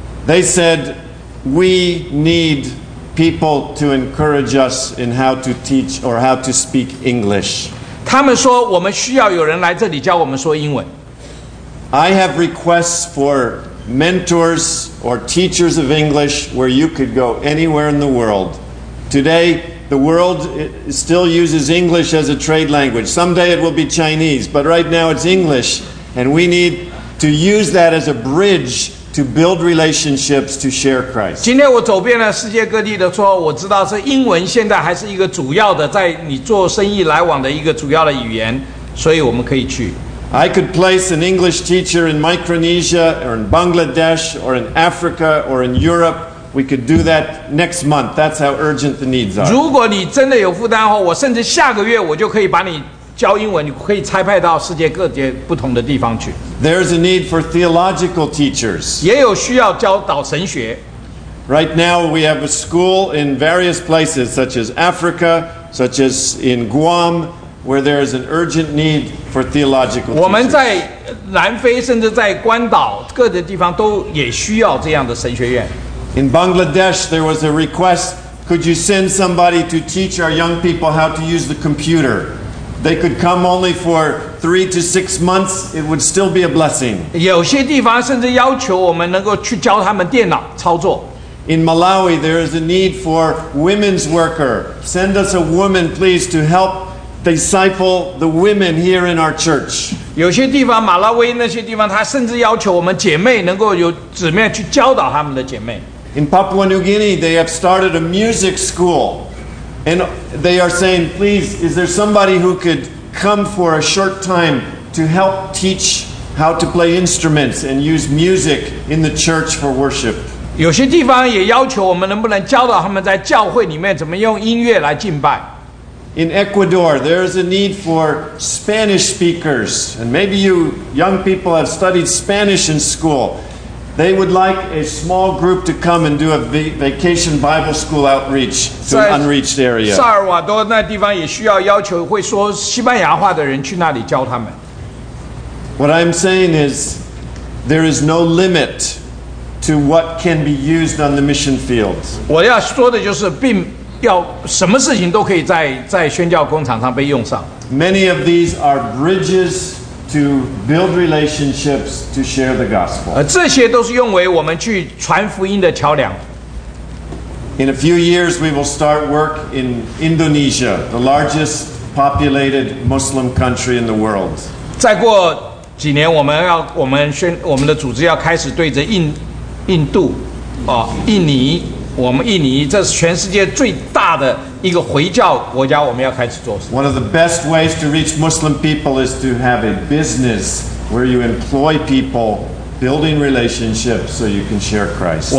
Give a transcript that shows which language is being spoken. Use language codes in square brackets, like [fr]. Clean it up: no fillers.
[en] They said we need people to encourage us in how to teach or how to speak English. [zh] 他们说我们需要有人来这里教我们说英文。 [en] I have requests for mentors or teachers of English where you could go anywhere in the world. Today, the world still uses English as a trade language. Someday it will be Chinese, but right now it's English. And we need to use that as a bridge to build relationships to share Christ. [zh] 今天我走遍了世界各地的时候，我知道是英文现在还是一个主要的，在你做生意来往的一个主要的语言，所以我们可以去。 [en] I could place an English teacher in Micronesia or in Bangladesh or in Africa or in Europe. We could do that next month. That's how urgent the needs are. [zh] 如果你真的有负担的话，我甚至下个月我就可以把你教英文，你可以差派到世界各地不同的地方去。 [en] There's a need for theological teachers. [zh] 也有需要教导神学。 [en] Right now we have a school in various places, such as Africa, such as in Guam. Where there is an urgent need for theological teachers. [zh] 我们在南非甚至在关岛各个地方都也需要这样的神学院。 [en] In Bangladesh, there was a request, could you send somebody to teach our young people how to use the computer? They could come only for 3 to 6 months, it would still be a blessing. [zh] 有些地方甚至要求我们能够去教他们电脑操作。 [en] In Malawi, there is a need for women's worker. Send us a woman, please, to help. Disciple the women here in our church. [zh] 有些地方，马拉维那些地方，他甚至要求我们姐妹能够有姊妹去教导他们的姐妹。 [en] In Papua New Guinea, they have started a music school, and they are saying, "Please, is there somebody who could come for a short time to help teach how to play instruments and use music in the church for worship?" [zh] 有些地方也要求我们能不能教导他们在教会里面怎么用音乐来敬拜。 [en] In Ecuador, there is a need for Spanish speakers. And maybe you young people have studied Spanish in school. They would like a small group to come and do a vacation Bible school outreach to an unreached area. [zh] 萨尔瓦多那地方也需要要求会说西班牙话的人去那里教他们。 [en] What I'm saying is, there is no limit to what can be used on the mission field. [zh] 我要说的就是并要什么事情都可以 在宣教工厂上被用上。 [en] Many of these are bridges to build relationships to share the gospel. [zh] 这些都是用为我们去传福音的桥梁。 [en] In a few years we will start work in Indonesia, the largest populated Muslim country in the world. [zh] 再过几年我们的组织要开始对着印尼我们印尼这是全世界最大的一个回教国家，我们要开始做什么。 [en] One of the best ways to reach Muslim people is to have a business where you employ people, building relationships so you can share Christ.